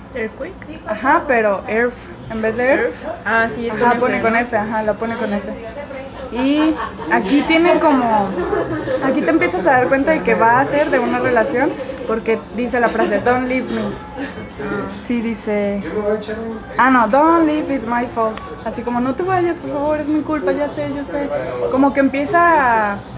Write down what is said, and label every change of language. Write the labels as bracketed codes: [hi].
[en] ¿Earthquake? [es] Ajá, pero Earth, en vez de Earth. Ah, sí, es ajá, con pone F, con ¿no? F, ajá, la pone con F. Y aquí tienen como... Aquí te empiezas a dar cuenta de que va a ser de una relación, porque dice la frase, [en] don't leave me. [es] Sí, dice... Ah, no, [en] don't leave, it's my fault. [es] Así como, no te vayas, por favor, es mi culpa, ya sé, yo sé. Como que empieza a...